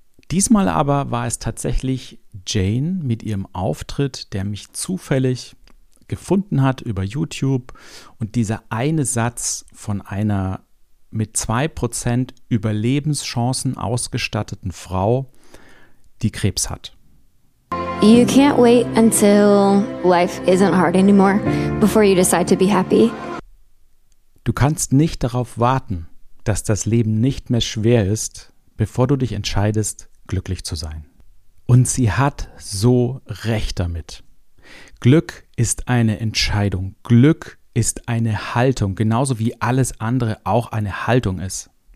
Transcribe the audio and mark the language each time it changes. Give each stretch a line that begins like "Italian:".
German: Diesmal aber war es tatsächlich Jane mit ihrem Auftritt, der mich zufällig gefunden hat über YouTube und dieser eine Satz von einer mit 2% Überlebenschancen ausgestatteten Frau, die Krebs hat.
English: You can't wait until life isn't hard anymore before you decide to be happy.
German: Du kannst nicht darauf warten, dass das Leben nicht mehr schwer ist, bevor du dich entscheidest, glücklich zu sein. Und sie hat so recht damit. Glück ist eine Entscheidung. Glück ist eine Haltung, genauso wie alles andere auch eine Haltung ist.